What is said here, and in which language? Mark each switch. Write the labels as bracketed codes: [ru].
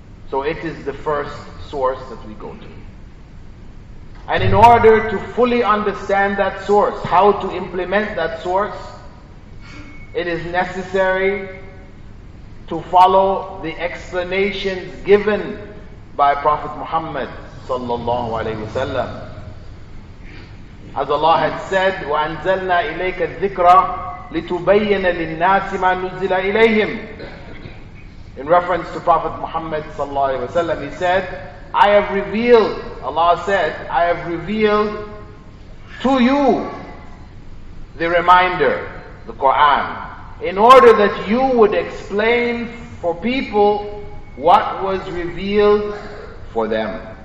[en] So it is the first source that we go to. And in order to fully understand that source, how to implement that source, it is necessary to follow the explanations given by Prophet Muhammad sallallahu alaihi wasallam. As Allah had said, [ar] وَأَنْزَلْنَا إِلَيْكَ الذِّكْرَ لِتُبَيِّنَ لِلنَّاسِ مَا نُزِّلَ إِلَيْهِمْ. [en] In reference to Prophet Muhammad sallallahu alaihi wasallam, he said, Allah said, I have revealed to you the reminder, the Quran, in order that you would explain for people what was revealed for them.